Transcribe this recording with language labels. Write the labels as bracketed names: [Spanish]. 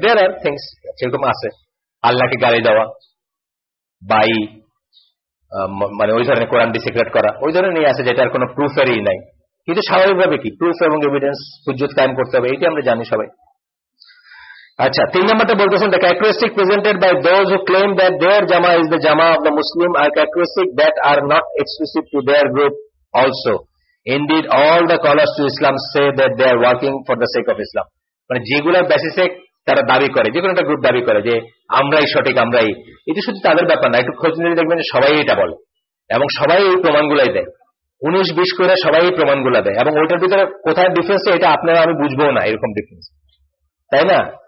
[English] there are things [Bangla] সেরকম আছে, আল্লাহকে গালি দেওয়া, বাই মানে ওই ধরনের কোরআন ডিসিক্রেট করা, ওই ধরনের আছে যেটার কোনো প্রুফেরই নাই। কিন্তু স্বাভাবিকভাবে কি প্রুফ এবং এভিডেন্স হুজ্জত কায়েম করতে হবে, এটি আমরা জানি সবাই। আচ্ছা, তিন নম্বরটা বলতেছেন, [English] The characteristic presented by those who claim that their jamaah is the jamaah of the Muslim are characteristic that are not exclusive to their group also. Indeed, all the callers to Islam say that they are working for the sake of Islam. [Bangla] মানে যেগুলোর বেসিসে তারা দাবি করে, যে কোনো একটা গ্রুপ দাবি করে যে আমরাই সঠিক, আমরাই, এটি শুধু তাদের ব্যাপার না, একটু খোঁজ নিয়ে দেখবেন সবাই এটা বলে এবং সবাই এই প্রমাণগুলাই দেয়। উনিশ বিশ করে সবাই এই প্রমাণগুলো দেয় এবং ওইটার ভিতরে কোথায় ডিফারেন্স এটা আপনারা আমি বুঝবো না, এরকম ডিফারেন্স তাই না?